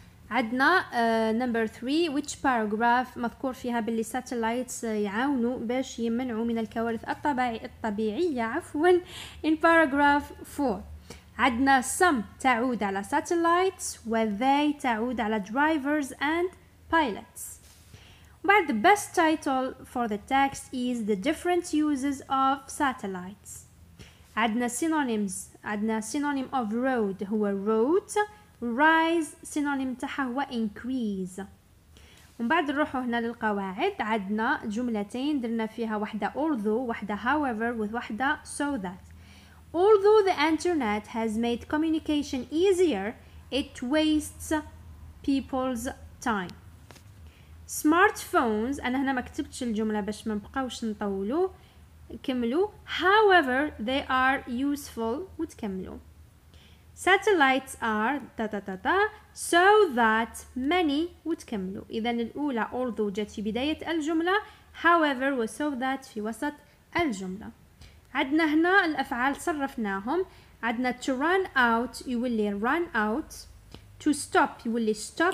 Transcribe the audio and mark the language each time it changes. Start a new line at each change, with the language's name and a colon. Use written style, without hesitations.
Arabic: عدنا
English: number 3. Which paragraph
Arabic: مذكور فيها باللي satellites يعاونوا باش يمنعوا من الكوارث الطبيعية
English: in paragraph 4.
Arabic: عدنا some تعود على satellites و they تعود على
English: drivers and pilots. But the best title for the text is the different uses of satellites.
Arabic: عدنا
English: synonyms.
Arabic: عدنا
English: synonym of road
Arabic: هو
English: road. Rise synonym
Arabic: تاعها هو
English: increase.
Arabic: ومن بعد نروحوا هنا للقواعد. عدنا جملتين درنا فيها واحدة although واحدة however with واحدة so that.
English: Although the internet has made communication easier, it wastes people's time.
Arabic: Smartphones انا هنا ما كتبتش الجملة باش ما نبقاوش نطولوا. كملوا
English: however they are useful
Arabic: وتكملوا.
English: Satellites are ta ta ta ta so that many
Arabic: وتكملوا. إذن الأولى although جت في بداية الجملة however و so that في وسط الجملة. عدنا هنا الأفعال صرفناهم. عدنا
English: to run out
Arabic: يولي
English: run out. To stop يولي stop.